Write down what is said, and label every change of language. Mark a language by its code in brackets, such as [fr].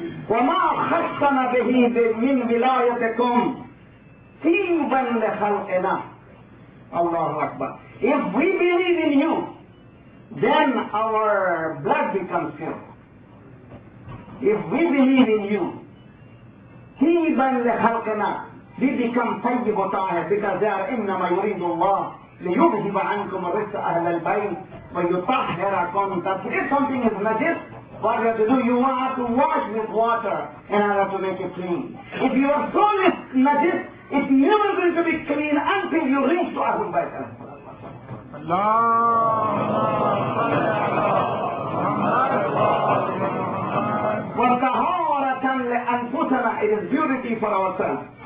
[ar] وَمَا خَصَّنَا بِهِ مِنْ وِلَايَتِكُمْ طِيبًا لِخَلْقِنَا. Allahu Akbar. [en] If we believe in you, then our blood becomes pure. If we believe in you, [ar] طِيبًا لِخَلْقِنَا, [en] we become [ar] طَيِّبُ طَاهِرٍ, [en] because they are [ar] إِنَّمَا يُرِيدُ اللَّهُ لِيُذْهِبَ عَنْكُمْ رِجْسَ أَهْلَ الْبَيْتِ وَيُطَهِّرَكُمْ تَطْهِيرًا. [en] If something is najis, what you have to do? You have to wash with water in order to make it clean. If your soul is najis, it's never going to be clean until you reach to Ahlul Bayt. [ar] وَطَهَارَةً لِأَنْفُسَنَا, [en] it is beauty for ourselves.